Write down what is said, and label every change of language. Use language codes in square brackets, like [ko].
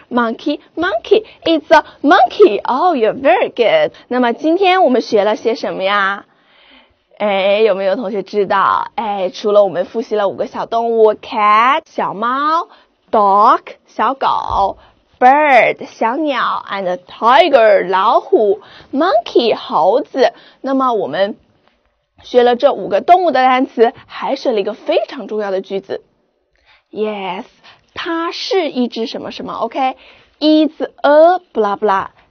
[en] Monkey, monkey, it's a monkey. Oh, you're very good. [zh] 那么今天我们学了些什么呀？哎，有没有同学知道？哎，除了我们复习了五个小动物 ，cat 小猫 ，dog 小狗 ，bird 小鸟 ，and tiger 老虎 ，monkey 猴子。那么我们学了这五个动物的单词，还学了一个非常重要的句子。 Yes, 它是一只什么什么 ？OK, [en] it's a blah blah.